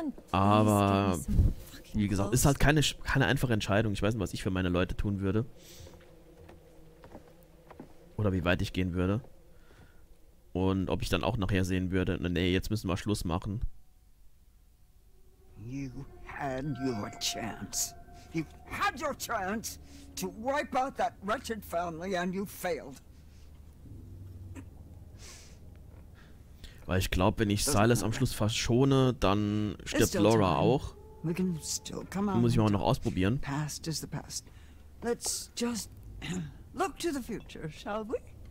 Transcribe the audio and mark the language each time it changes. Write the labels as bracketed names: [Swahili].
[German] Aber wie gesagt, ist halt keine einfache Entscheidung. Ich weiß nicht, was ich für meine Leute tun würde. Oder wie weit ich gehen würde. Und ob ich dann auch nachher sehen würde, nee, jetzt müssen wir Schluss machen. [English] You had your chance. You had your chance to wipe out that wretched family and you failed. [German] Weil ich glaube, wenn ich Silas am Schluss verschone, dann stirbt Laura auch. Muss ich mal noch ausprobieren. [English] Past is the past. Let's just look to the future, shall we?